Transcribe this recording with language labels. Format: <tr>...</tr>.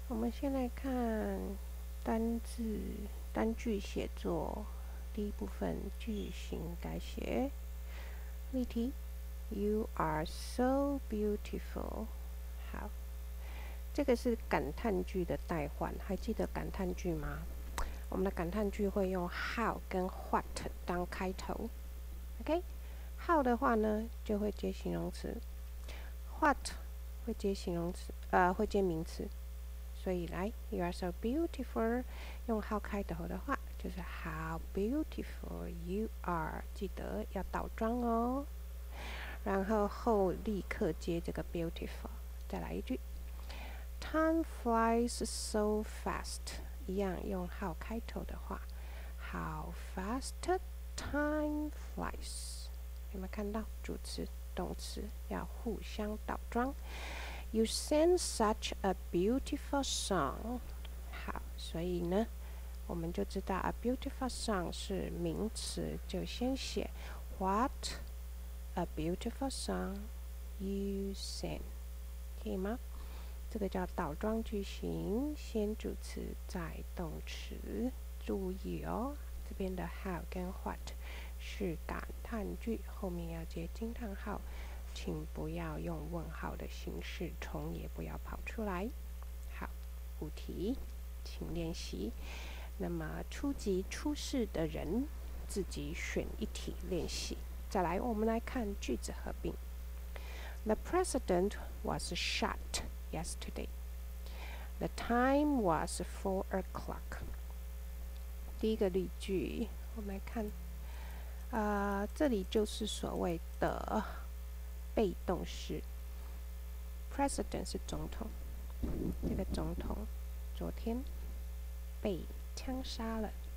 <zh>先来看单字单句写作第一部分句型改写。例题</zh> <en>：You are so beautiful。</en> <zh>好，这个是感叹句的代换，还记得感叹句吗？我们的感叹句会用 how 跟 what 当开头。 OK， how 的话呢，就会接形容词 ，what 会接形容词，会接名词。所以来 ，</zh> <en>You are so beautiful，</en> <zh>用 how 开头的话，就是</zh> <en>how beautiful you are，</en> <zh>记得要倒装哦。然后后立刻接这个 beautiful， 再来一句 ，</zh> <en>Time flies so fast，</en> <zh>一样用 how 开头的话 ，</zh> <en>how fast time flies，</en> <zh>有没有看到主词、动词要互相倒装？</zh> <en>You sang such a beautiful song.</en> <zh>好，所以呢，我们就知道 a beautiful song 是名词，就先写</zh> <en>What a beautiful song you sang.</en> <zh>可以吗？这个叫倒装句型，先主词，再动词。注意哦，这边的 how 跟 what 是感叹句，后面要接惊叹号。请不要用问号的形式，虫也不要跑出来。好，五题，请练习。那么初级初试的人自己选一题练习。再来，我们来看句子合并。</zh> <en>The president was shot yesterday. The time was 4 o'clock.</en> <zh>第一个例句，我们来看，这里就是所谓的。被动式 President 是总统，这个总统昨天被枪杀了。</zh>